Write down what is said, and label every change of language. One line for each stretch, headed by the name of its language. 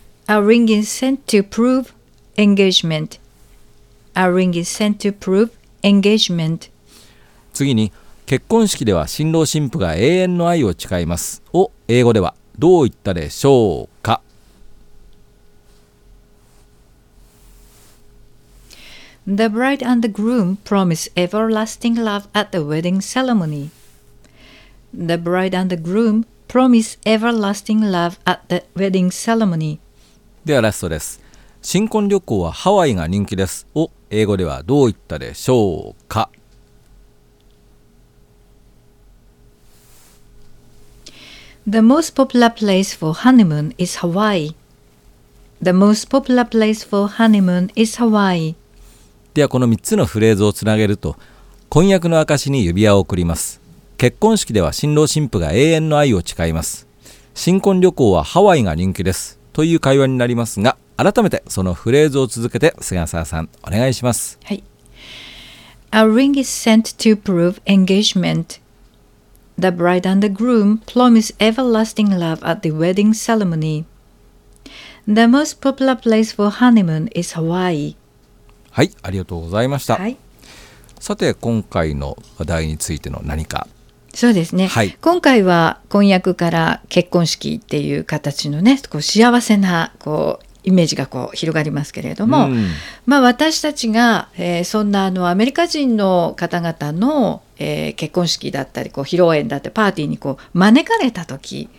English: A ring is sent to prove engagement. A ring is sent to prove engagement.
Japanese: 次に、結婚式では新郎新婦が永遠の愛を誓いますを英語ではどう言ったでしょうか？
English: The bride and the groom promise everlasting love at the wedding ceremony. The bride and the groom promise everlasting love at the wedding ceremony.
Japanese: ではラストです。新婚旅行はハワイが人気ですを英語ではどう言ったでしょうか？
English: The most popular place for honeymoon is Hawaii. The most popular place for honeymoon is Hawaii.
Japanese: ではこの3つのフレーズをつなげると、婚約の証に指輪を贈ります、結婚式では新郎新婦が永遠の愛を誓います、新婚旅行はハワイが人気ですという会話になりますが、改めてそのフレーズを続けて菅沢さんお願いします。はい。
English: A ring is sent to prove engagement. The bride and the groom promise everlasting love at the wedding ceremony. The most popular place for honeymoon is Hawaii.
Japanese: はい、ありがとうございました。はい、さて今回の話題についての何か、そうですね、はい、今回は婚約から結婚式っていう形のね、こう幸せなこうイメージがこう広がりますけれども、うん、まあ、私たちが、そんなあのアメリカ人の方々の、結婚式だったりこう披露宴だったりパーティーにこう招かれた時、